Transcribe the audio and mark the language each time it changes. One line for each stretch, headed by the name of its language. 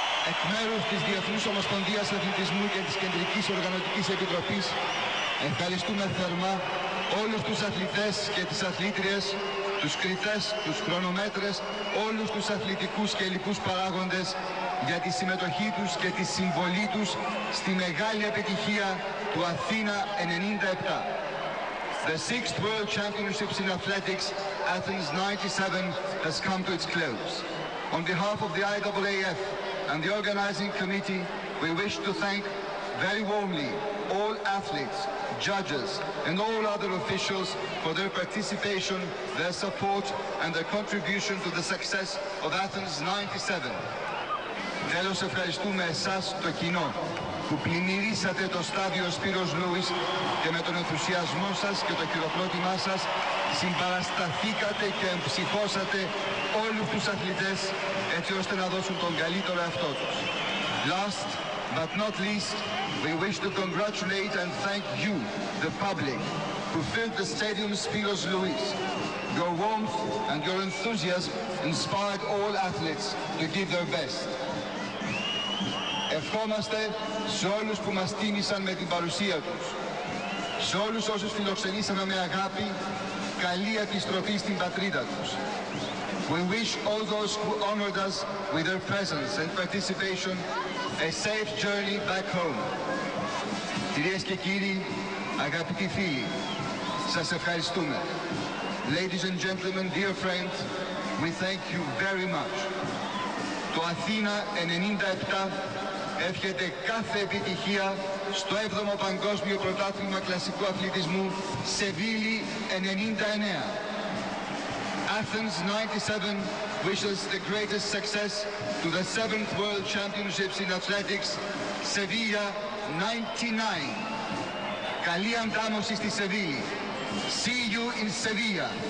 Greek: Εκ μέρους της Διεθνούς Ομοσπονδίας Αθλητισμού και της Κεντρικής Οργανωτικής Επιτροπής ευχαριστούμε θερμά όλους τους αθλητές και τις αθλήτριες, τους κριτές, τους χρονομέτρες, όλους τους αθλητικούς και υλικούς παράγοντες για τη συμμετοχή τους και τη συμβολή τους στη μεγάλη επιτυχία του Αθήνα 97.
English: The 6th World Championships in Athletics, Athens 97, has come to its close. On behalf of the IAAF and the organizing committee, we wish to thank very warmly all athletes, judges and all other officials for their participation, their support and their contribution to the success of Athens 97.
Greek: Τέλος, ευχαριστούμε εσάς το κοινό που πλημμυρίσατε το στάδιο Σπύρος Λούις και με τον ενθουσιασμό σας και το χειροκρότημά σας συμπαρασταθήκατε και εμψυχώσατε όλους τους αθλητές έτσι ώστε να δώσουν τον καλύτερο εαυτό τους.
English: Last but not least, we wish to congratulate and thank you, the public, who filled the stadium Spiros Louis. Your warmth and your enthusiasm inspired all athletes to give their best.
Greek: Ευχόμαστε σε όλους που μας τίμησαν με την παρουσία τους, σε όλους όσους φιλοξενήσαμε με αγάπη, καλή επιστροφή στην πατρίδα τους.
English: We wish all those who honored us with their presence and participation a safe journey back home.
Greek: Κυρίες και κύριοι, αγαπητοί φίλοι, σας ευχαριστούμε.
English: Ladies and gentlemen, dear friends, we thank you very much.
Greek: Το Αθήνα 97 εύχεται κάθε επιτυχία στο 7ο Παγκόσμιο Πρωτάθλημα Κλασικού Αθλητισμού Σεβίλη 99.
English: Athens 97 wishes the greatest success to the 7th World Championships in Athletics, Sevilla 99.
Greek: Καλή αντάμωση στη Σεβίλη.
English: See you in Sevilla.